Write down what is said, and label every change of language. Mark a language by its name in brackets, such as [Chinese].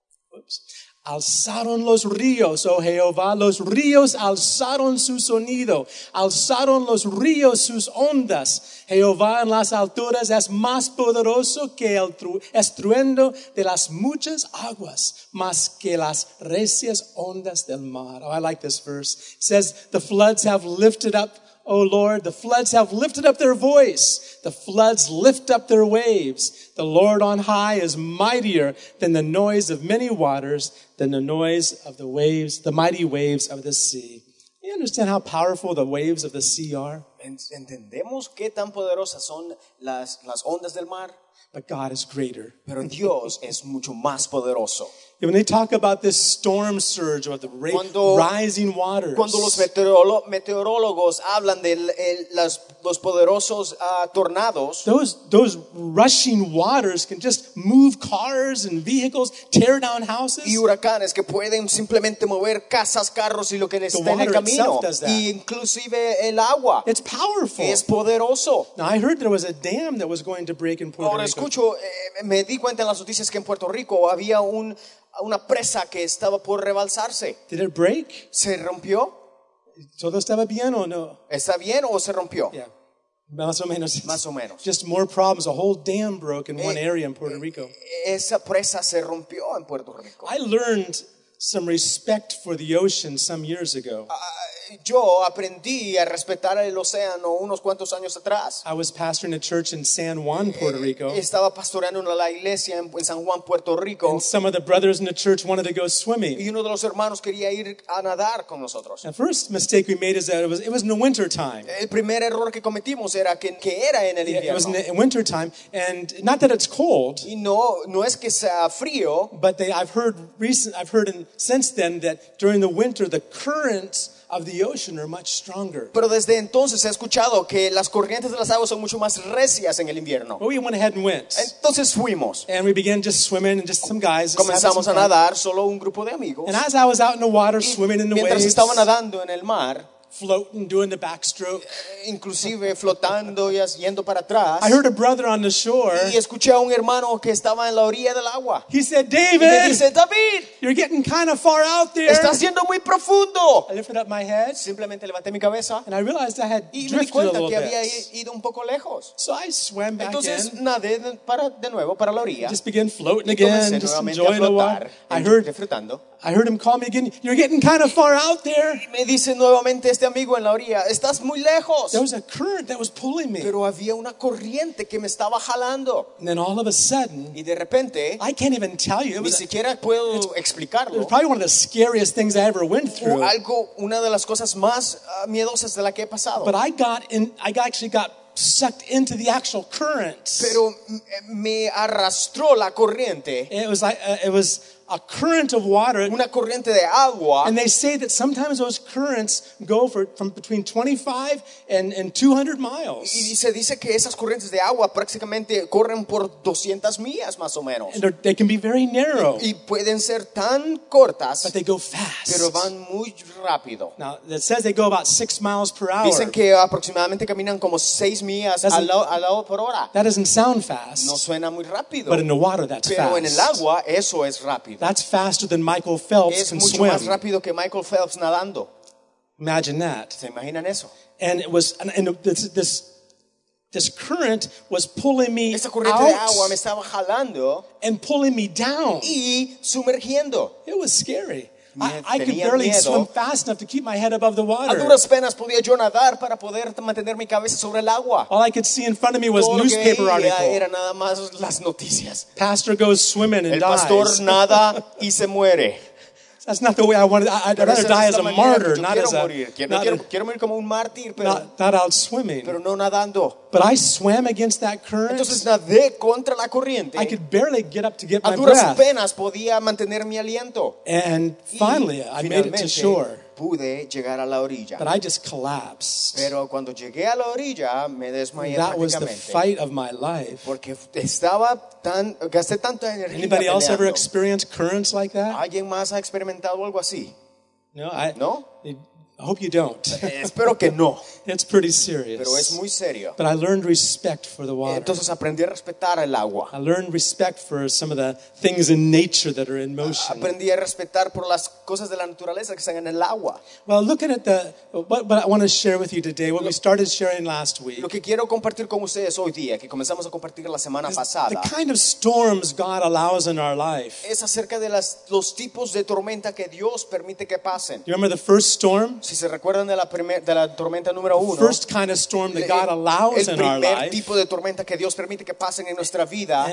[Spanish] Oops. Alzaron los ríos, oh Jehová. Los ríos alzaron su sonido. Alzaron los ríos sus ondas. Jehová en las alturas es más poderoso que el estruendo de las muchas aguas, más que las recias ondas del mar. [English] Oh, I like this verse. It says, the floods have lifted up, O Lord, the floods have lifted up their voice. The floods lift up their waves. The Lord on high is mightier than the noise of many waters, than the noise of the waves, the mighty waves of the sea. You understand how powerful the waves of the sea are? [Spanish] ¿Entendemos qué tan poderosas son las ondas del mar? [English] But God is greater. [Spanish] Pero Dios es mucho más poderoso. [English] When they talk about this storm surge, about the rising waters. [Spanish] Cuando los meteorólogos hablan de los poderosos tornados. [English] Those rushing waters can just move cars and vehicles, tear down houses. [Spanish] Y huracanes que pueden simplemente mover casas, carros y lo que les esté en el camino. [English] The water itself does that. [Spanish] Y inclusive el agua. [English] It's powerful. [Spanish] Es poderoso. [English] Now I heard there was a dam that was going to break in Puerto [Spanish] Ahora, [English] Rico. [Spanish] Ahora escucho, me di cuenta en las noticias que en Puerto Rico había una presa que estaba por rebalsarse. [English] Did it break? [Spanish] ¿Se rompió? ¿Todo estaba bien o no? ¿Está bien o se rompió? Yeah. Más o menos. Más o menos. [English] Just more problems. A whole dam broke in one area in Puerto Rico. [Spanish] Esa presa se rompió en Puerto Rico. [English] I learned some respect for the ocean some years ago. [Spanish] Yo aprendí a respetar el océano unos cuantos años atrás. [English] I was pastoring a church in San Juan, Puerto Rico. [Spanish] Estaba pastoreando en la iglesia en San Juan, Puerto Rico. [English] And some of the brothers in the church wanted to go swimming. [Spanish] Y uno de los hermanos quería ir a nadar con nosotros. [English] The first mistake we made is that it was in the winter time. [Spanish] El primer error que cometimos era que era en el invierno. [English] It was in winter time, and not that it's cold. [Spanish] Y no es que sea frío. [English] But I've heard since then that during the winter the currents of the ocean are much stronger. [Spanish] Pero desde entonces he escuchado que las corrientes de las aguas son mucho más recias en el invierno. [English] Well, we went ahead and went. [Spanish] Entonces fuimos. [English] And we began just swimming and just some guys. [Spanish] Comenzamos [English] some [Spanish] a nadar solo un grupo de amigos. [English] And as I was out in the water swimming in the [Spanish] mientras [English] waves. [Spanish] Mientras estaba nadando en el mar. [English] floating, doing the backstroke. [Spanish] Inclusive flotando y yendo para atrás. [English] I heard a brother on the shore. [Spanish] Y escuché a un hermano que estaba en la orilla del agua. [English] He said, David. [Spanish] Y me dice, David. [English] You're getting kind of far out there. [Spanish] Estás yendo muy profundo. [English] I lifted up my head. [Spanish] Simplemente levanté mi cabeza. [English] And I realized I had drifted a little bit. [Spanish] Y me di cuenta que había ido un poco lejos. [English] So I swam back. [Spanish] Entonces nadé de nuevo para la orilla. [English] Just began floating again, just enjoying the water. I heard him call me again. You're getting kind of far out there. [Spanish] Me dice nuevamente este amigo en la orilla. Estás muy lejos. [English] There was a current that was pulling me. [Spanish] Pero había una corriente que me estaba jalando. [English] And then all of a sudden, [Spanish] y de repente, [English] I can't even tell you. [Spanish] Ni siquiera puedo explicarlo. [English] It was probably one of the scariest things I ever went through. [Spanish] Algo, una de las cosas más miedosas de la que he pasado. [English] But I actually got sucked into the actual current. [Spanish] Pero me arrastró la corriente. [English] It was a current of water. [Spanish] Una corriente de agua. [English] And they say that sometimes those currents go from between 25 and 200 miles. [Spanish] Y dice que esas corrientes de agua prácticamente corren por 200 millas más o menos. [English] And they can be very narrow. [Spanish] Y pueden ser tan cortas. [English] But they go fast. [Spanish] Pero van muy rápido. [English] Now it says they go about 6 miles per hour. [Spanish] Dicen que aproximadamente caminan como 6 millas al agua por hora. [English] That doesn't sound fast. [Spanish] No suena muy rápido. [English] But in the water that's [Spanish] pero [English] fast. [Spanish] Pero en el agua eso es rápido. [English] That's faster than Michael Phelps [Spanish] es [English] can [Spanish] mucho [English] swim. [Spanish] Más rápido que Michael Phelps nadando. [English] Imagine that. [Spanish] ¿Se imaginan eso? [English] And it was and this current was pulling me [Spanish] esa corriente [English] out [Spanish] de agua me estaba jalando [English] and pulling me down. [Spanish] Y sumergiendo. [English] It was scary. I could barely [Spanish] miedo. [English] Swim fast enough to keep my head above the water. [Spanish] A duras penas podía yo nadar para poder mantener mi cabeza sobre el agua. [English] All I could see in front of me was [Spanish] porque [English] newspaper article. [Spanish] Era nada más las noticias. [English] Pastor goes swimming and [Spanish] el pastor [English] dies. [Spanish] Nada y se muere. [English] That's not the way I wanted. I'd [Spanish] pero [English] rather die as a martyr, not [Spanish] quiero [English] as a [Spanish] morir. Quiero, [English] not, [Spanish] quiero, quiero morir como un mártir, pero, [English] not out swimming. [Spanish] Pero no nadando. [English] But I swam against that current. [Spanish] Entonces nadé contra la corriente. [English] I could barely get up to get [Spanish] a [English] my breath. [Spanish] A duras penas podía mantener mi aliento. [English] And finally, I made it to shore. [Spanish] Pude llegar a la orilla. [English] But I just collapsed. [Spanish] Pero cuando llegué a la orilla, me desmayé. [English] That was the fight of my life. [Spanish] Porque estaba tan, gasté tanta energía. [English] Anybody else ever experienced currents like that? [Spanish] ¿Alguien más ha experimentado algo así? [English] No. I hope you don't. [Spanish] Espero que no. [English] It's pretty serious. [Spanish] Pero es muy serio. [English] But I learned respect for the water. [Spanish] Entonces aprendí a respetar el agua. [English] I learned respect for some of the things in nature that are in motion. [Spanish] Aprendí a respetar por las cosas de la naturaleza que están en el agua. [English] Well, looking at what I want to share with you today, what we started sharing last week. [Spanish] Lo que quiero compartir con ustedes hoy día, que comenzamos a compartir la semana pasada. [English] The kind of storms God allows in our life. [Spanish] Es acerca de los tipos de tormenta que Dios permite que pasen. [English] You remember the first storm? [Spanish] Si se recuerdan de la tormenta número uno, [English] first kind of storm that God allows in our life. [Spanish] El primer tipo de tormenta que Dios permite que pasen en nuestra vida.